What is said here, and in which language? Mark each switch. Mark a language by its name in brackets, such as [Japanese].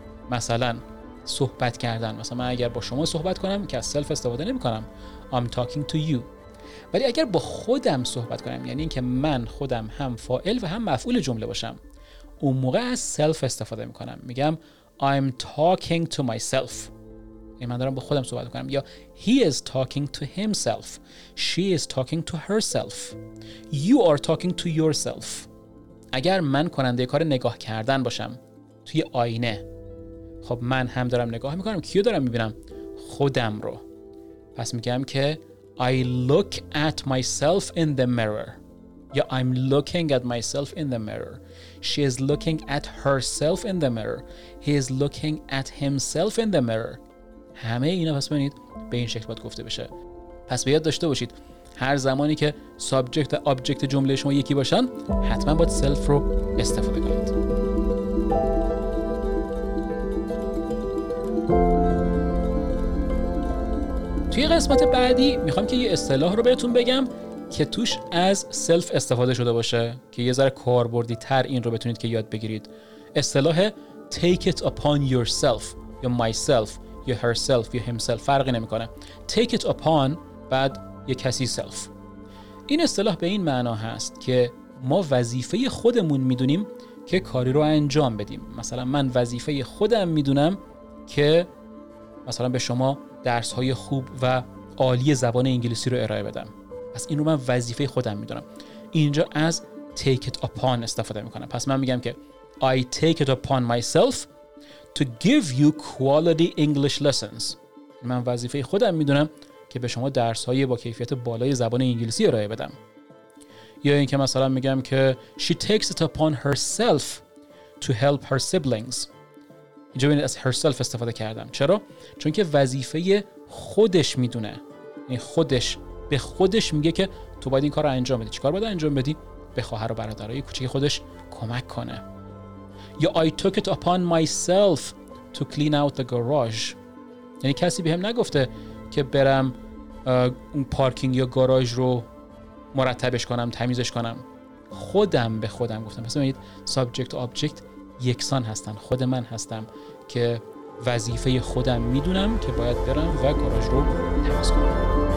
[Persian] مثلا صحبت کردن، مثلا من اگر با شما صحبت کنم که از self استفاده نمی کنم، [English] I'm talking to you. [Persian] ولی اگر با خودم صحبت کنم، یعنی اینکه من خودم هم فاعل و هم مفعول جمله باشم، اون موقع از self استفاده میکنم، میگم [English] I'm talking to myself. [Persian] یعنی من دارم با خودم صحبت کنم. [English] یا He is talking to himself. She is talking to herself. You are talking to yourself. [Persian] اگر من کننده کار نگاه کردن باشم توی آینه، خب من هم دارم نگاه میکنم، کیو دارم میبینم؟ خودم رو. پس میگم که [English] I look at myself in the mirror. یا I'm looking at myself in the mirror. She is looking at herself in the mirror. He is looking at himself in the mirror. [Persian] همه اینا پس ببینید به این شکل باید گفته بشه. پس بیاد داشته باشید هر زمانی که سابجکت و آبجکت جمله شما یکی باشن، حتما باید سلف رو استفاده کنید. توی قسمت بعدی میخوام که یه اصطلاح رو بهتون بگم که توش از سلف استفاده شده باشه، که یه ذره کاربردی تر این رو بتونید که یاد بگیرید. اصطلاح take it upon yourself یا myself یا herself یا himself فرقی نمی کنه. [English] take it upon [Persian] بعد یه کسی [English] self. [Persian] این اصطلاح به این معنا هست که ما وظیفه خودمون میدونیم که کاری رو انجام بدیم. مثلا من وظیفه خودم میدونم که مثلا به شما درس های خوب و عالی زبان انگلیسی رو ارائه بدم. پس این رو من وظیفه خودم میدونم. اینجا از take it upon استفاده میکنم. پس من میگم که [English] I take it upon myself to give you quality English lessons. [Persian] من وظیفه خودم میدونم که به شما درس های با کیفیت بالای زبان انگلیسی ارائه بدم. یا اینکه مثلا میگم که [English] she takes it upon herself to help her siblings. [Persian] اینجا ببینید از herself استفاده کردم. چرا؟ چون که وظیفه خودش میدونه. یعنی خودش به خودش میگه که تو باید این کار رو انجام بدی. چیکار باید انجام بدی؟ به خواهر و برادرای کوچیک خودش کمک کنه. [English] یا I took it upon myself to clean out the garage. [Persian] یعنی کسی بهم نگفته که برم اون پارکینگ یا گاراژ رو مرتبش کنم، تمیزش کنم. خودم به خودم گفتم. پس ببینید سابجکت و آبجکت یکسان هستن. خود من هستم که وظیفه خودم میدونم که باید برم و گاراژ رو تمیز کنم.